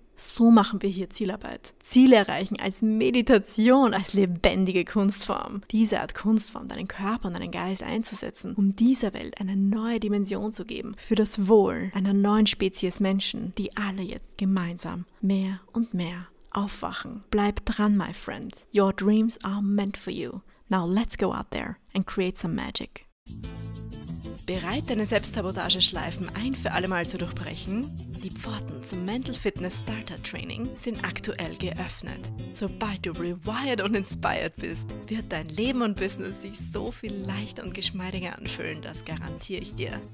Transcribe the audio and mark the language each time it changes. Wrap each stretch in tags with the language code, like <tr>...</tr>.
<de>So machen wir hier Zielarbeit. Ziele erreichen als Meditation, als lebendige Kunstform. Diese Art Kunstform, deinen Körper und deinen Geist einzusetzen, um dieser Welt eine neue Dimension zu geben, für das Wohl einer neuen Spezies Menschen, die alle jetzt gemeinsam mehr und mehr aufwachen. Bleib dran,</de> <en>my friend. Your dreams are meant for you. Now let's go out there and create some magic.</en> <de>Bereit, deine Selbstsabotageschleifen ein für allemal zu durchbrechen? Die Pforten zum Mental Fitness Starter Training sind aktuell geöffnet. Sobald du</de> <en>rewired</en> <de>und</de> <en>inspired</en> <de>bist, wird dein Leben und Business sich so viel leichter und geschmeidiger anfühlen, das garantiere ich dir.</de>